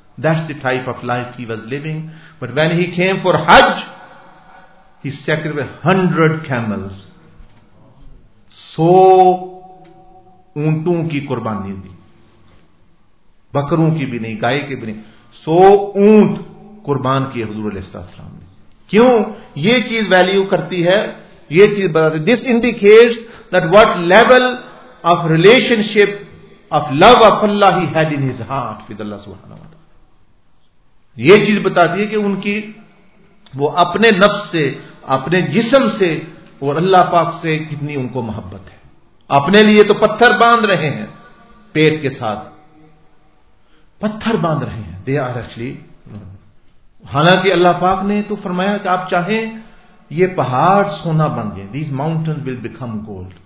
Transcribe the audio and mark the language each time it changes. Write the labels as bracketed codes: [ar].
[en] That's the type of life he was living. But when he came for Hajj, he sacrificed 100 camels. [ur] 100 اونٹوں کی قربانی دی, بکروں کی بھی نہیں گائے کی بھی نہیں, 100 اونٹ قربان کیے حضور علیہ السلام نے. کیوں؟ یہ چیز ویلیو کرتی ہے, یہ چیز بتاتی. [en] This indicates that what level of relationship of love of Allah he had in his heart with Allah subhanahu wa ta'ala. [ur] یہ چیز بتاتی ہے کہ ان کی وہ اپنے نفس سے, اپنے جسم سے اور اللہ پاک سے کتنی ان کو محبت ہے. اپنے لیے تو پتھر باندھ رہے ہیں پیٹ کے ساتھ, پتھر باندھ رہے ہیں [en] they are actually, [ur] حالانکہ اللہ پاک نے تو فرمایا کہ آپ چاہیں یہ پہاڑ سونا بن گئے, [en] These mountain will become gold.